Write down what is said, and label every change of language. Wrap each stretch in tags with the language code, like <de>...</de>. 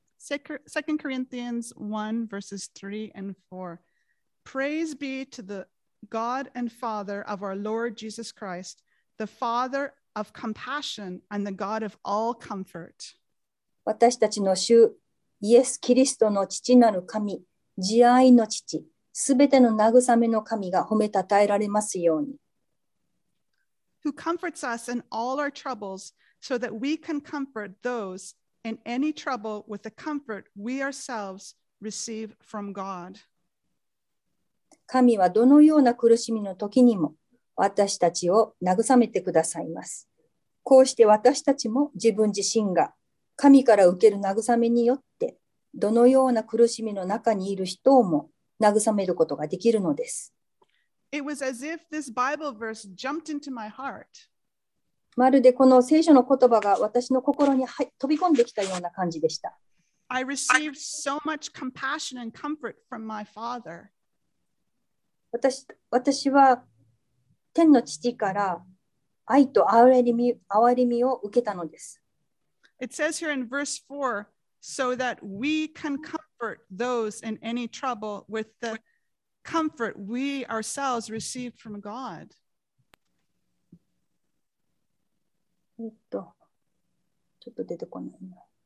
<en>2 Corinthians 1 verses 3 and 4. Praise be to the God and Father of our Lord Jesus Christ, the Father of compassion and the God of all comfort.</en> <ja>私たちの主イエス・キリストの父なる神、慈愛の父、すべての慰めの神が褒めたたえられますように。</ja> <en>Who comforts us in all our troubles, so that we can comfort those in any trouble with the comfort we ourselves receive from God.</en> <ja>神はどのような苦しみの時にも私たちを慰めてくださいます。こうして私たちも自分自身が神から受ける慰めによって、どのような苦しみの中にいる人をも慰めることができるのです。</ja> <en>It was as if this Bible verse jumped into my heart.</en> <ja>まるでこの聖書の言葉が私の心に飛び込んできたような感じでした。</ja> <en>I received so much compassion and comfort from my father.</en> <ja>私は天の父から愛と憐れみを受けたのです。</ja> <en>It says here in verse 4, so that we can comfort those in any trouble with the comfort we ourselves received from God.</en> <ja>ちょっと出てこないな。</ja>